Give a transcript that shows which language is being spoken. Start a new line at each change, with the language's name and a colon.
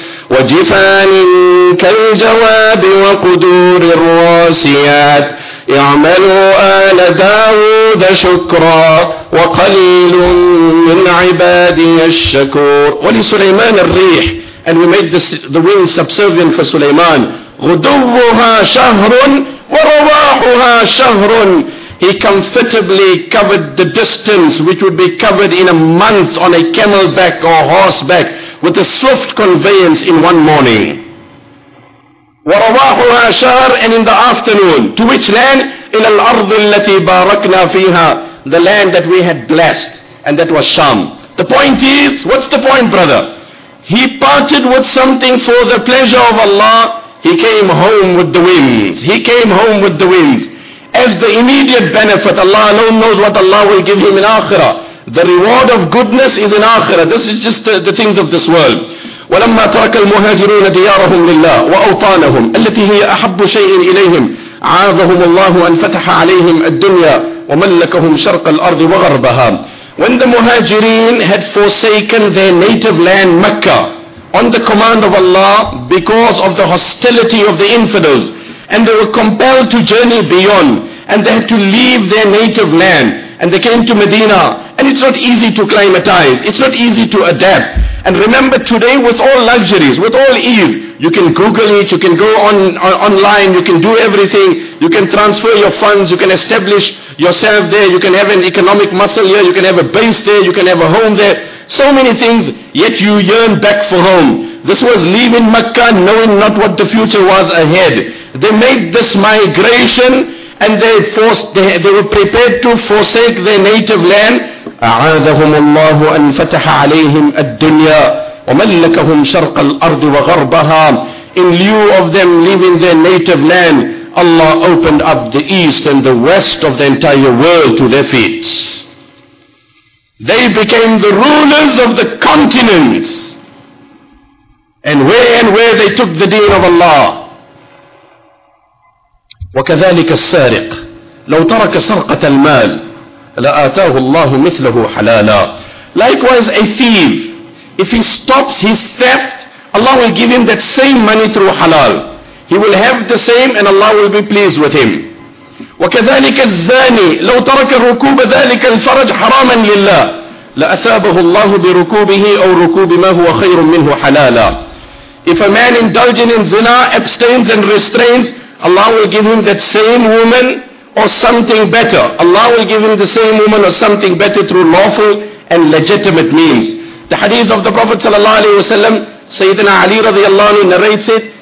Arabic: وجفان كالجواب وقدور الراسيات اعملوا آل داود شكرا وقليل من عبادي الشكور. ولسليمان الريح,
English: and we made the wind subservient for Suleiman.
Arabic: غدوها شهر ورواحها شهر.
English: He comfortably covered the distance which would be covered in a month on a camel back or horseback with a swift conveyance in one morning.
Arabic: ورواحها شهر,
English: and in the afternoon. To which land?
Arabic: إلى الأرض التي باركنا فيها,
English: the land that we had blessed, and that was Sham. The point is, what's the point, brother? He parted with something for the pleasure of Allah. He came home with the winds. He came home with the winds. As the immediate benefit, Allah alone knows what Allah will give him in Akhirah. The reward of goodness is in Akhirah. This is just the things of this world.
Arabic: ولما ترك المهاجرون ديارهم لله وأوطانهم التي هي أحب شيء إليهم عاذهم الله أن فتح عليهم الدنيا وملكهم شرق الأرض وغربها.
English: When the Muhajirin had forsaken their native land Mecca on the command of Allah because of the hostility of the infidels, and they were compelled to journey beyond, and they had to leave their native land, and they came to Medina, and it's not easy to acclimatize, it's not easy to adapt. And remember, today with all luxuries, with all ease, you can Google it, you can go online, you can do everything, you can transfer your funds, you can establish yourself there, you can have an economic muscle here, you can have a base there, you can have a home there, so many things, yet you yearn back for home. This was leaving Mecca, knowing not what the future was ahead. They made this migration, and they were prepared to forsake their native land.
Arabic: أعاذهم الله أن فتح عليهم الدنيا وملكهم شرق الأرض وغربها.
English: In lieu of them leaving their native land, Allah opened up the east and the west of the entire world to their feet. They became the rulers of the continents. And where they took the deen of Allah.
Arabic: وكذلك السارق لو ترك سرقة المال لآتاه الله مثله حلالا.
English: Likewise, a thief, if he stops his theft, Allah will give him that same money through halal. He will have the same, and Allah will be pleased with him.
Arabic: وكذلك الزاني لو ترك ركوب ذلك الفرج حراما لله لأثابه الله بركوبه أو ركوب ما هو خير منه حلالا.
English: If a man indulging in zina, abstains and restrains, Allah will give him that same woman or something better. Allah will give him the same woman or something better through lawful and legitimate means. The hadith of the Prophet sallallahu alaihi wasallam, Sayyidina Ali radiallahu anhu narrates it.